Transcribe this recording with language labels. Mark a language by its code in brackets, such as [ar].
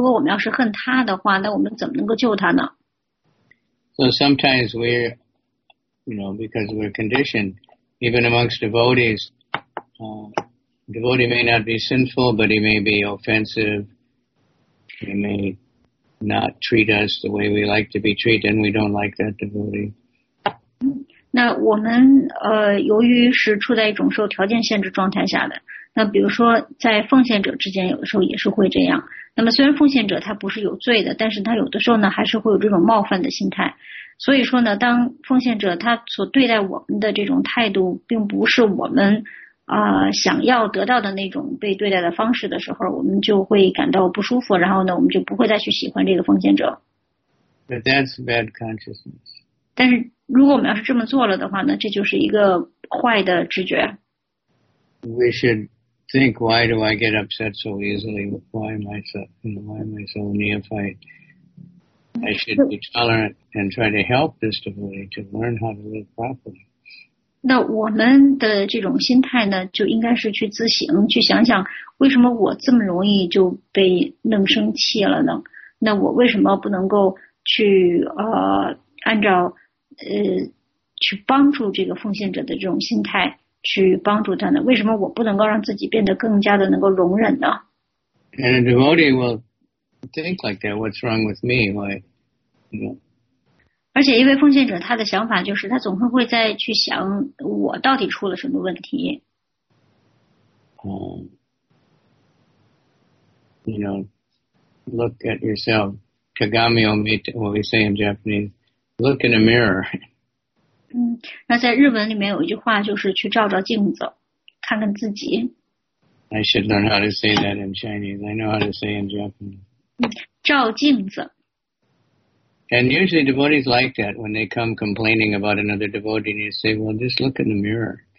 [zh] 如果我们要是恨他的话，那我们怎么能够救他呢 [en] ？So sometimes we, you know, because we're conditioned, even amongst devotees, devotee may not be sinful, but he may be offensive. He may. Not treat us the way we like to be treated, and we don't like that devotee. [zh] 那我们由于是处在一种受条件限制状态下的，那比如说在奉献者之间，有的时候也是会这样。那么虽然奉献者他不是有罪的，但是他有的时候呢，还是会有这种冒犯的心态。所以说呢，当奉献者他所对待我们的这种态度，并不是我们想要得到的那种被对待的方式的时候，我们就会感到不舒服，然后呢，我们就不会再去喜欢这个奉献者。 [en] But that's bad consciousness. [zh] 但是如果我们要是这么做了的话呢，这就是一个坏的知觉。 [en] We should think, why do I get upset so easily? Why am I so, why am I so neophyte? I should be tolerant and try to help this devotee to learn how to live properly. [zh] 那我们的这种心态呢，就应该是去自省，去想想为什么我这么容易就被弄生气了呢？那我为什么不能够去按照去帮助这个奉献者的这种心态去帮助他呢？为什么我不能够让自己变得更加的能够容忍呢 [en] ？And a devotee will think like that. What's wrong with me? Why? You know. [zh] 而且一位奉献者他的想法就是他总会再去想我到底出了什么问题。 [en] You know, look at yourself. [ja] Kagami o mita, [en] what we say in Japanese, look in a mirror. [zh] 那在日文里面有一句话就是去照照镜子，看看自己。 [en] I should learn how to say that in Chinese. I know how to say in Japanese. [zh] 照镜子。 [en] And usually devotees like that when they come complaining about another devotee, and you say, "Well, just look in the mirror."